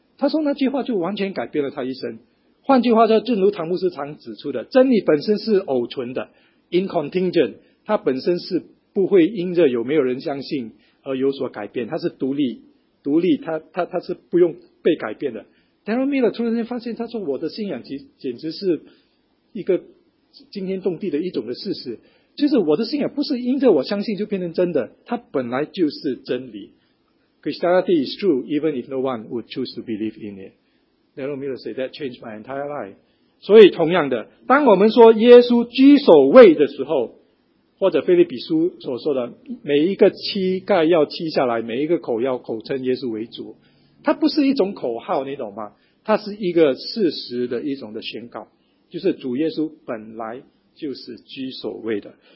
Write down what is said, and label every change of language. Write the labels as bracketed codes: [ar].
[zh] 他说那句话就完全改变了他一生。换句话说，正如唐牧师常指出的，真理本身是偶存的， [en] in contingent， [zh] 它本身是不会因着有没有人相信而有所改变，它是独立，它是不用被改变的。 Daryl Miller 突然间发现，他说我的信仰简直是一个惊天动地的一种的事实，就是我的信仰不是因着我相信就变成真的，它本来就是真理。 [en] Christianity is true even if no one would choose to believe in it。 Daryl Miller said that changed my entire life。 [zh] 所以同样的，当我们说耶稣居首位的时候，或者腓立比书所说的每一个膝盖要膝下来，每一个口要口称耶稣为主，它不是一种口号，你懂吗？它是一个事实的一种的宣告，就是主耶稣本来就是居首位的。